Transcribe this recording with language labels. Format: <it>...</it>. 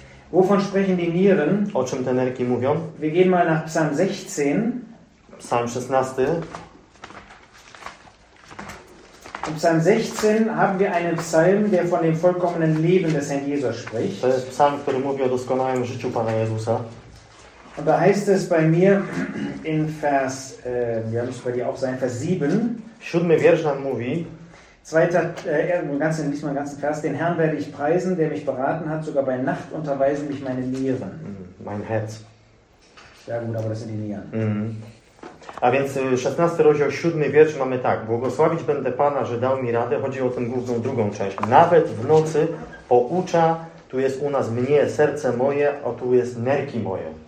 <de>Wovon sprechen die Nieren?</de> <pl>O czym te nerki mówią?</pl> <de>Wir gehen mal nach Psalm 16. Psalm 16. In Psalm 16 haben wir einen Psalm, der von dem vollkommenen Leben des Herrn Jesus spricht.</de> <pl>To jest psalm, który mówi o doskonałym życiu Pana Jezusa.</pl> <de>Und da heißt es bei mir in Vers, ja, muss bei dir auch sein, Vers 7.</de> <pl>Siódmy wiersz nam mówi.</pl> <de>Zweiter, nicht mal ganzen Vers. Den Herrn werde ich preisen, der mich beraten hat, sogar bei Nacht unterweisen mich meine Nieren. Mein Herz. Ja gut, aber das sind die Nieren.</de> <pl>A więc 16 rozdział, 7 wiersz mamy tak. Błogosławić będę Pana, że dał mi radę. Chodzi o tę główną drugą część. Nawet w nocy poucza, tu jest u nas mnie, serce moje, a tu jest nerki moje.</pl>